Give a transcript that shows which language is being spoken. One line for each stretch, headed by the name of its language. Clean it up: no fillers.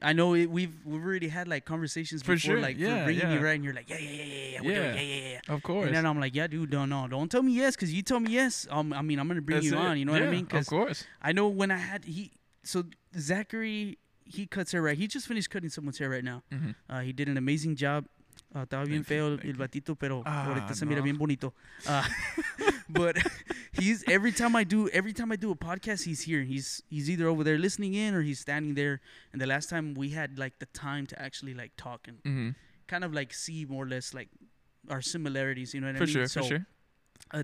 English: I know it, we've already had, like, conversations for before, sure. like, yeah, for bringing yeah. you right, and you're like, yeah, yeah, yeah, yeah, yeah, we're doing, yeah, yeah, yeah. Of course. And then I'm like, yeah, dude, no, don't tell me yes, because you tell me yes, I mean, I'm going to bring That's you it. On, you know yeah, what I mean? Cause of course. I know when I had, so Zachary, he cuts hair right. He just finished cutting someone's hair right now. Mm-hmm. He did an amazing job.
Spanish: Estaba bien feo el batito, pero ahorita se mira bien bonito.
English: But he's every time I do a podcast, he's here. He's either over there listening in or he's standing there. And the last time we had like the time to actually like talk and kind of like see more or less like our similarities, you know what for I mean? Sure, so, for sure, for sure.